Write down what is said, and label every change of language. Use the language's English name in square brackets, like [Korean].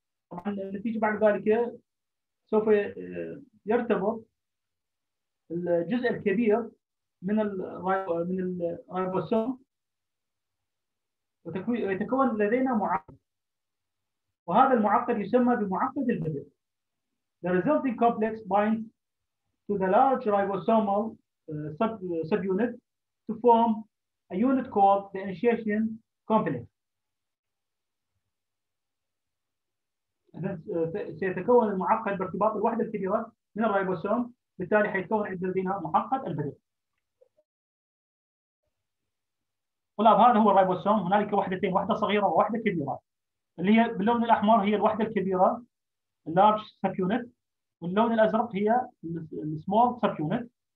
[Arabic] طبعا النتيجه بعد ذلك سوف يرتبط الجزء الكبير من الريبوسوم، ويتكون لدينا معقد، وهذا المعقد يسمى بمعقد البدء. [English] The resulting complex binds to the large ribosomal subunit to form a unit called the initiation complex. [Arabic] سيتكون المعقد بارتباط الوحدة الكبيرة من الريبوسوم، بالتالي حيتكون لدينا معقد البدء. طلاب، هذا هو الريبوسوم. هنالك وحدتين، وحده صغيره ووحده كبيره. اللي هي باللون الاحمر هي الوحده الكبيره اللارج سبيونت، واللون الازرق هي السمول سبيونت.